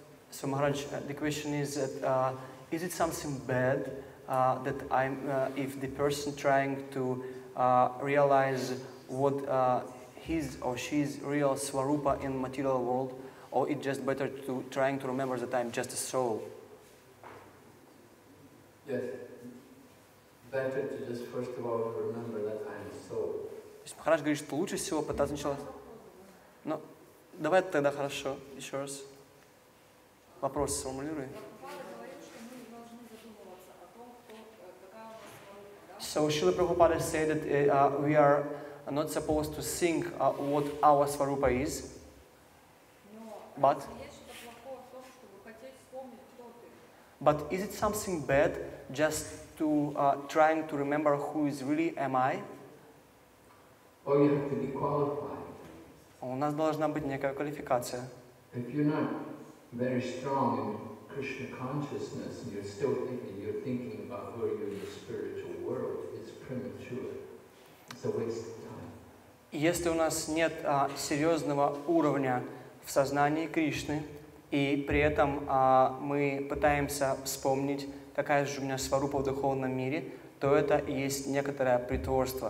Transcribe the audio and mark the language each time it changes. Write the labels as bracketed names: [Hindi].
[English] So Maharaj, the question is that is it something bad that I'm if the person trying to realize what his or she's real Swarupa in material world, or it just better to trying to remember that I'm just a soul? Yes, better to just first of all remember that I'm a soul. [Russian] То есть Махарадж говорит, что лучше всего пытаться сначала, но давай тогда хорошо, еще раз. Вопрос сформулируй. [English] So Srila Prabhupada said that we are not supposed to think what our Swarupa is. But is it something bad just to trying to remember who is really am I? Or you have to be qualified. [Russian] У нас должна быть некая квалификация. [English] If you're not very strong in Krishna consciousness and you're still thinking, you're thinking about who you are in the spiritual world, it's premature. It's a waste of time. [Russian] Если у нас нет серьезного уровня в сознании Кришны, и при этом мы пытаемся вспомнить, какая же у меня сварупа в духовном мире, то это и есть некоторое притворство.